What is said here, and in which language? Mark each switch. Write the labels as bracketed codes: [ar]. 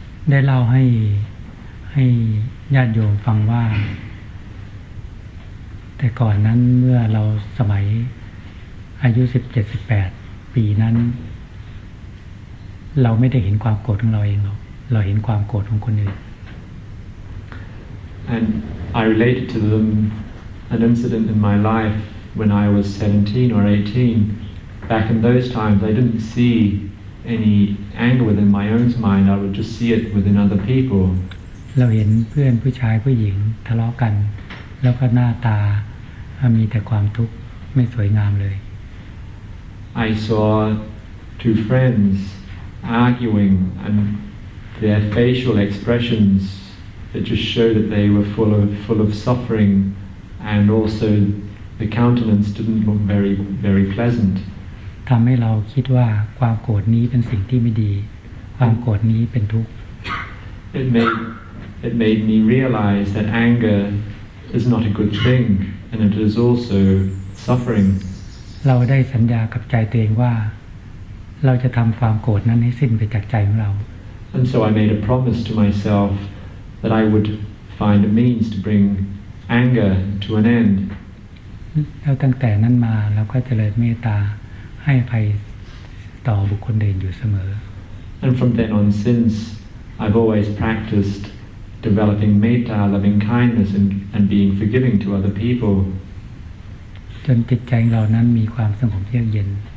[th] ได้เล่าให้ญาติโยมฟังว่าแต่ก่อนนั้นเมื่อเราสมัยอายุ17 18ปีนั้นเราไม่ได้เห็นความโกรธของเราเองหรอกเราเห็นความโกรธของคนอื่น [en] And I related to them an incident in my life when I was 17 or 18Back in those times, I didn't see any anger within my own mind. I would just see it within other people. [th] เราเห็นเพื่อนผู้ชายผู้หญิงทะเลาะกันแล้วก็หน้าตามีแต่ความทุกข์ไม่สวยงามเลย [en] I saw two friends arguing, and their facial expressions that just showed that they were full of suffering, and also the countenance didn't look very very pleasant. [th] ทำให้เราคิดว่าความโกรธนี้เป็นสิ่งที่ไม่ดีความโกรธนี้เป็นทุกข์ [en] It made me realize that anger is not a good thing and it is also suffering [th] เราได้สัญญากับใจตัวเองว่าเราจะทำความโกรธนั้นให้สิ้นไปจากใจของเรา [en] And so I made a promise to myself that I would find a means to bring anger to an end [th] แล้วตั้งแต่นั้นมาเราก็เจริญเมตตาให้ภัยต่อบุคคลเดินอยู่เสมอ [en] And from then on since I've always practiced developing metta loving kindness and being forgiving to other people [th] จนจิตใจเรานั้นมีความสงบเยือกเย็น